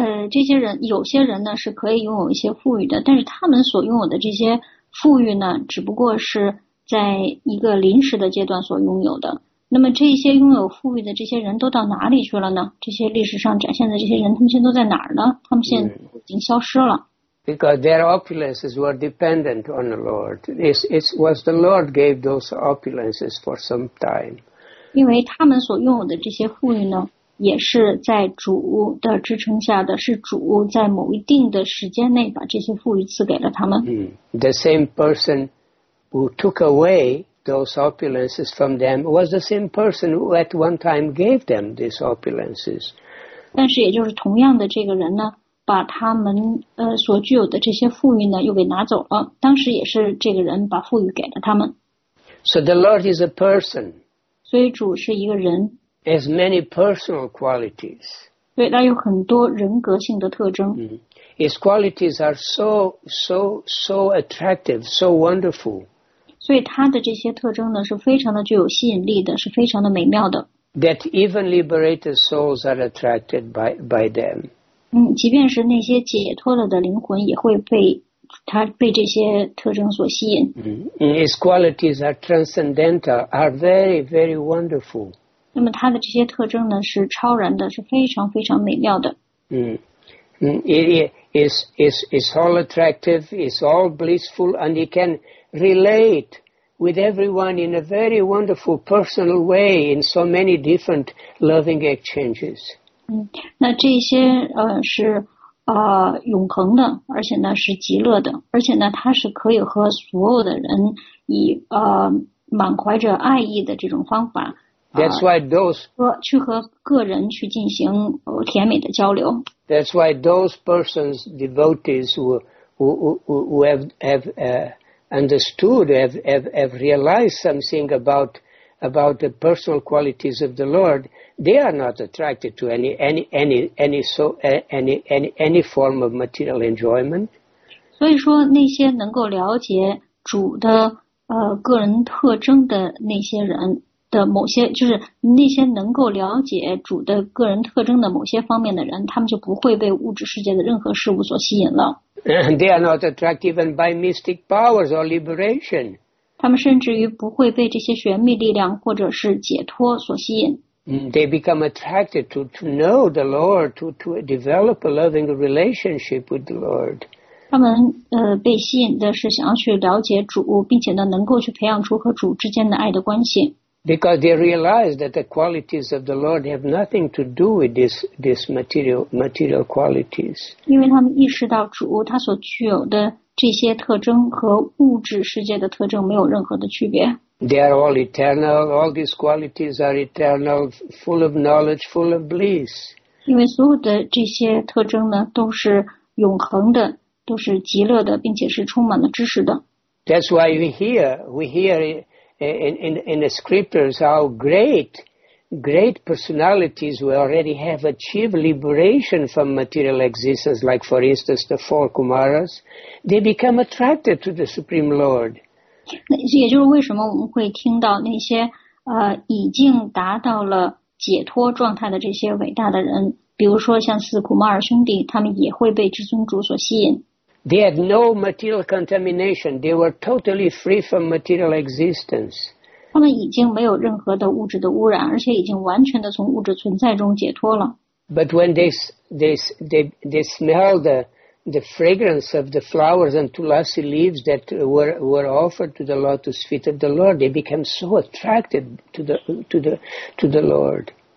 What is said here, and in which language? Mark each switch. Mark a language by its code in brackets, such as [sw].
[zh] 这些人，有些人呢是可以拥有一些富裕的，但是他们所拥有的这些富裕呢，只不过是在一个临时的阶段所拥有的。那么这些拥有富裕的这些人都到哪里去了呢？这些历史上展现的这些人，他们现在都在哪儿呢？他们现在已经消失了。 [en] Because their opulences were dependent on the Lord. It was the Lord gave those opulences for some time. [zh] 因为他们所拥有的这些富裕呢，也是在主的支撑下的，是主在某一定的时间内把这些富裕赐给了他们。 [en] The same person who took away those opulences from them was the same person who at one time gave them these opulences. [zh] 但是也就是同样的这个人呢，把他们所具有的这些富裕呢又给拿走了，当时也是这个人把富裕给了他们。 [en] So the Lord is a person. [zh] 所以主是一个人。 [en] Has many personal qualities. [zh] 对，他有很多人格性的特征。 [en] His qualities are so attractive, so wonderful. [zh] 所以他的这些特征呢，是非常的具有吸引力的，是非常的美妙的。 [en] That even liberated souls are attracted by them. [zh] 即便是那些解脱了的灵魂，也会被他被这些特征所吸引。 [en] His qualities are transcendental, are very, very wonderful. [zh] 那么他的这些特征呢，是超然的，是非常非常美妙的。 [en] It is all attractive, is all blissful, and he can. Relate with everyone in a very wonderful personal way in so many different loving exchanges. [zh] 那这些是永恒的，而且呢是极乐的，而且呢它是可以和所有的人以满怀着爱意的这种方法。 [en] That's why those [zh] 去和个人去进行甜美的交流。 [en] That's why those persons devotees who have realized something about the personal qualities of the Lord, they are not attracted to any form of material enjoyment. [zh] 所以说那些能够了解主的个人特征的那些人的某些，就是那些能够了解主的个人特征的某些方面的人，他们就不会被物质世界的任何事物所吸引了。 [en] They are not attracted even by mystic powers or liberation. [zh] 他们甚至于不会被这些玄秘力量或者是解脱所吸引。 [en] They become attracted to know the Lord, to develop a loving relationship with the Lord. [zh] 他们被吸引的是想要去了解主，并且呢能够去培养出和主之间的爱的关系。 [en] Because they realize that the qualities of the Lord have nothing to do with this material qualities. [zh] 因为他们意识到主他所具有的这些特征和物质世界的特征没有任何的区别。 [en] They are all eternal. All these qualities are eternal, full of knowledge, full of bliss. [zh] 因为所有的这些特征呢都是永恒的，都是极乐的，并且是充满了知识的。 [en] That's why we hear it. In the scriptures, how great personalities who already have achieved liberation from material existence, like for instance the four Kumaras, they become attracted to the Supreme Lord. [zh] 也就是为什么我们会听到那些已经达到了解脱状态的这些伟大的人，比如说像四库玛尔兄弟，他们也会被至尊主所吸引。 [en] They had no material contamination. They were totally free from material existence. [zh] 他们已经没有任何的物质的污染，而且已经完全的从物质存在中解脱了。 [en] But when they smell the fragrance of the flowers and tulasi leaves that were offered to the lotus feet of the Lord, they became so attracted to the Lord.